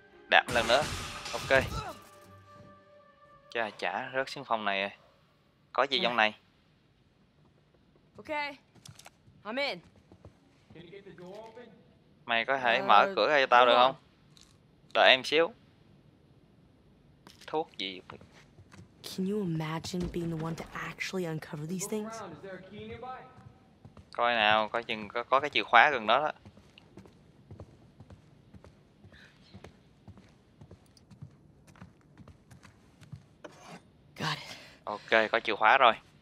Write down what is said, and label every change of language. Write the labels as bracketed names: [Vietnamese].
[Vietnamese] Đạp lần nữa. Ok. Chà chả rớt xuống phòng này rồi. Có gì trong này? [English] Ok, I'm in. [Vietnamese] Mày có thể mở cửa ra cho tao được không? Đợi em xíu. Thuốc gì? [English] Can you imagine being the one to actually uncover these things? [Vietnamese] Coi nào, coi chừng có cái chìa khóa gần đó. Ok, có chìa khóa rồi.